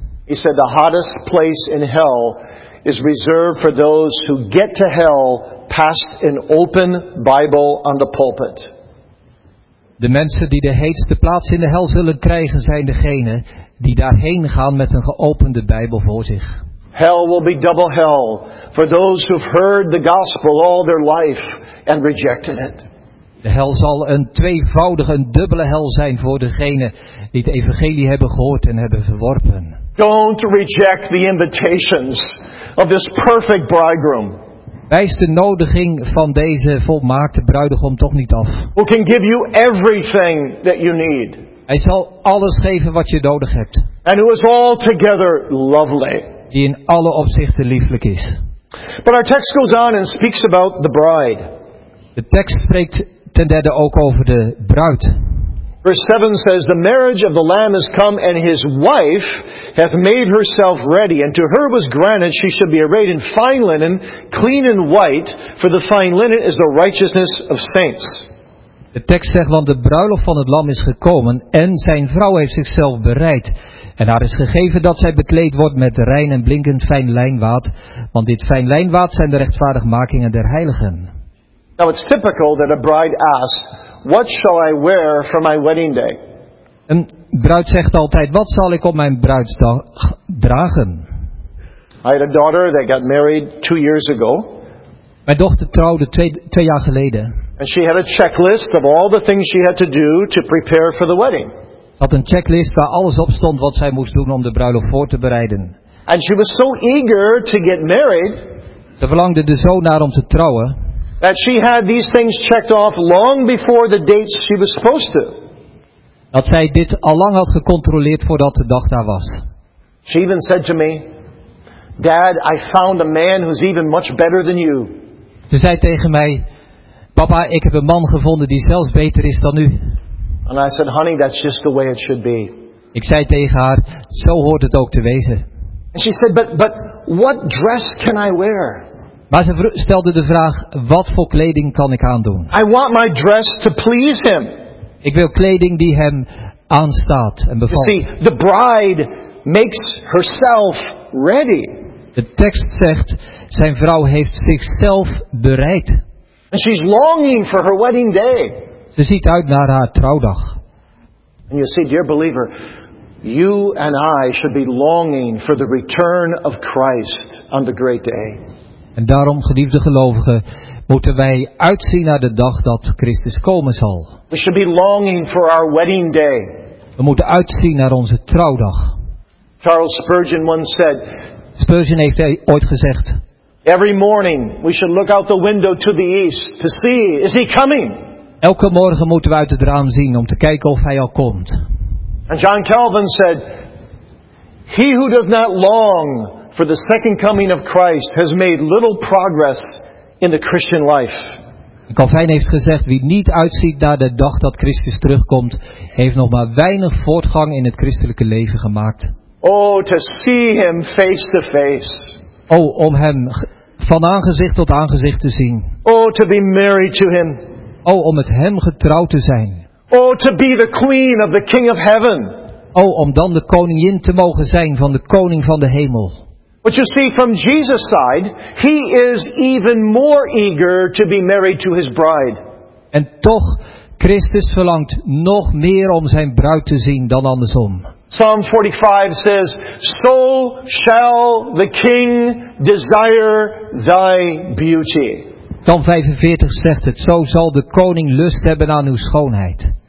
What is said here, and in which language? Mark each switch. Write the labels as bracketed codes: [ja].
[en] He said the hottest place in hell is reserved for those who get to hell past an open Bible on the pulpit. [nl] De mensen die de heetste plaats in de hel zullen krijgen zijn degene die daarheen gaan met een geopende Bijbel voor zich. [en] Hell will be double hell for those who've heard the gospel all their life and rejected it. [nl] De hel zal een tweevoudige, een dubbele hel zijn voor degene die het evangelie hebben gehoord en hebben verworpen. [en] Don't reject the invitations of this perfect bridegroom. [nl] Wijs de nodiging van deze volmaakte bruidegom toch niet af. [en] Who can give you everything that you need. [nl] Hij zal alles geven wat je nodig hebt. [en] And who is altogether lovely. [nl] Die in alle opzichten lieflijk is. [en] But our text goes on and speaks about the bride. [nl] De tekst spreekt ten derde ook over de bruid. [en] Verse 7 says, "The marriage of the Lamb has come, and his wife hath made herself ready. And to her was granted she should be arrayed in fine linen, clean and white, for the fine linen is the righteousness of saints." [nl] De tekst zegt, want de bruiloft van het Lam is gekomen en zijn vrouw heeft zichzelf bereid. En haar is gegeven dat zij bekleed wordt met rein en blinkend fijn lijnwaad, want dit fijn lijnwaad zijn de rechtvaardigmakingen der heiligen. [en] Now it's typical that a bride asks, "What shall I wear for my wedding day?" [nl] Een bruid zegt altijd, wat zal ik op mijn bruidsdag dragen? [en] I had a daughter that got married 2 years ago. [nl] Mijn dochter trouwde 2 jaar geleden. [en] And she had a checklist of all the things she had to do to prepare for the wedding. [nl] Ze had een checklist waar alles op stond wat zij moest doen om de bruiloft voor te bereiden. [en] And she was so eager to get married. [nl] Ze verlangde er zo naar om te trouwen. [en] That she had these things checked off long before the dates she was supposed to. [nl] Dat zij dit al lang had gecontroleerd voordat de dag daar was. [en] She even said to me, "Dad, I found a man who's even much better than you." [nl] Ze zei tegen mij, papa, ik heb een man gevonden die zelfs beter is dan u. [en] And I said, "Honey, that's just the way it should be." [nl] Ik zei tegen haar, zo hoort het ook te wezen. [en] And she said, but what dress can I wear? [nl] Maar ze stelde de vraag, wat voor kleding kan ik aandoen? [en] I want my dress to please him. [nl] Ik wil kleding die hem aanstaat en bevalt. [en] You see, the bride makes herself ready. [nl] De tekst zegt, zijn vrouw heeft zichzelf bereid. [en] And she's longing for her wedding day. [nl] Ze ziet uit naar haar trouwdag. [en] And you see, dear believer, you and I should be longing for the return of Christ on the great day. [nl] En daarom, geliefde gelovigen, moeten wij uitzien naar de dag dat Christus komen zal. [en] We should be longing for our wedding day. [nl] We moeten uitzien naar onze trouwdag. [en] Charles Spurgeon once said. [nl] Spurgeon heeft ooit gezegd. [en] Every morning we should look out the window to the east to see, is he coming? [nl] Elke morgen moeten we uit het raam zien om te kijken of hij al komt. [en] And John Calvin said, "He who does not long for the second coming of Christ has made little progress in the Christian life." [nl] Calvin heeft gezegd, wie niet uitziet naar de dag dat Christus terugkomt, heeft nog maar weinig voortgang in het christelijke leven gemaakt. [en] Oh, to see him face to face. [nl] Oh, om hem van aangezicht tot aangezicht te zien. [en] Oh, to be married to him. [nl] Oh, om met hem getrouwd te zijn. [en] Oh, to be the queen of the king of heaven. [nl] Oh, om dan de koningin te mogen zijn van de koning van de hemel. [en] But you see, from Jesus' side, he is even more eager to be married to his bride. [nl] En toch, Christus verlangt nog meer om zijn bruid te zien dan andersom. [en] Psalm 45 says, "So shall the king desire thy beauty." [nl] Psalm 45 zegt het, zo zal de koning lust hebben aan uw schoonheid.